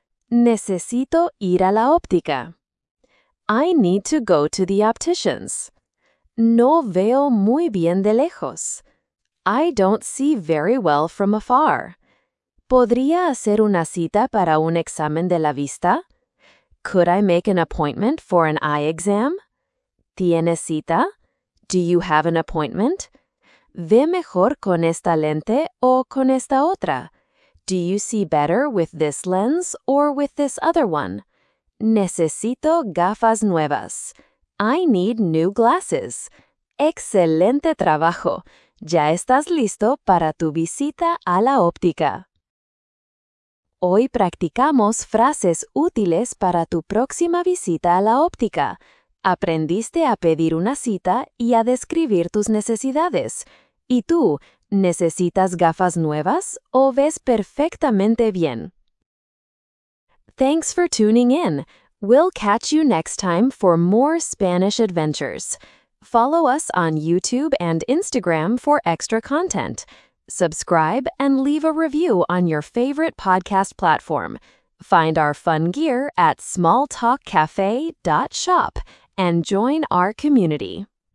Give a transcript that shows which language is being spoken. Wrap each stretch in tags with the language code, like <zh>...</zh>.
<es>Necesito ir a la óptica.</es> <en>I need to go to the opticians.</en> <es>No veo muy bien de lejos.</es> <en>I don't see very well from afar.</en> <es>¿Podría hacer una cita para un examen de la vista?</es> <en>Could I make an appointment for an eye exam?</en> <es>¿Tienes cita?</es> <en>Do you have an appointment?</en> <es>¿Ve mejor con esta lente o con esta otra?</es> <en>Do you see better with this lens or with this other one?</en> <es>Necesito gafas nuevas.</es> <en>I need new glasses.</en> <es>¡Excelente trabajo! Ya estás listo para tu visita a la óptica. Hoy practicamos frases útiles para tu próxima visita a la óptica. Aprendiste a pedir una cita y a describir tus necesidades. ¿Y tú, necesitas gafas nuevas o ves perfectamente bien?</es> <en>Thanks for tuning in. We'll catch you next time for more Spanish adventures. Follow us on YouTube and Instagram for extra content. Subscribe and leave a review on your favorite podcast platform. Find our fun gear at smalltalkcafe.shop and join our community.</en>